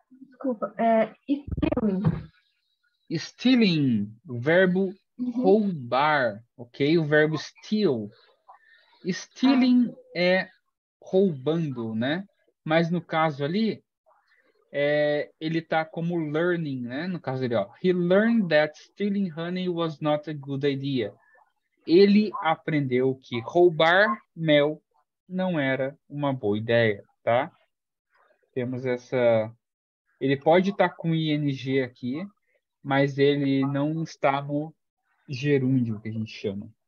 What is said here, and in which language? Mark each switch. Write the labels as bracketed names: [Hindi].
[Portuguese] Desculpa, é stealing. Stealing, o verbo roubar, ok? O verbo steal. Stealing é roubando, né? Mas no caso ali, é, ele tá como learning, né? No caso dele, ó. [English] He learned that stealing honey was not a good idea. [Portuguese] Ele aprendeu que roubar mel não era uma boa ideia, tá? Temos essa... Ele pode estar com ING aqui, mas ele não está no gerúndio, que a gente chama.